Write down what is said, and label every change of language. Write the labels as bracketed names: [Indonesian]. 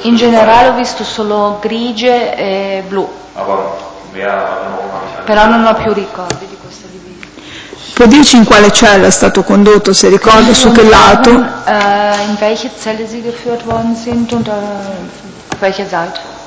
[Italian] In generale ho visto solo grigie e blu. [German] Aber mehr Erinnerungen habe ich an. [Italian] Però non ho più ricordi di questa divisa. Può dirci in quale cella è stato condotto, se ricorda, su che lato? [German] In welche Zelle sie geführt worden sind und auf welcher Seite?